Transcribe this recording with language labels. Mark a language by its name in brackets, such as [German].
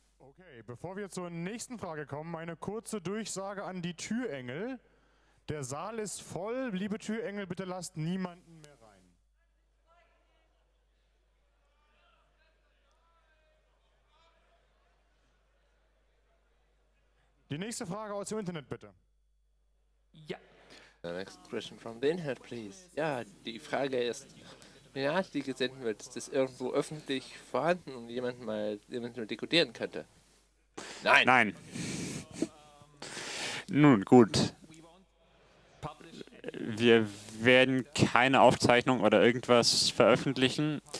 [German] Okay, bevor wir zur nächsten Frage kommen, eine kurze Durchsage an die Türengel. Der Saal ist voll. Liebe Türengel, bitte lasst niemanden mehr rein. Die nächste Frage aus dem Internet, bitte. Ja. [English] The next question from the Internet, please. [German] Ja, die Frage ist, wenn eine Nachricht gesendet wird, ist das irgendwo öffentlich vorhanden und jemand mal dekodieren könnte? Nein. Nein. Nun, gut. Wir werden keine Aufzeichnung oder irgendwas veröffentlichen.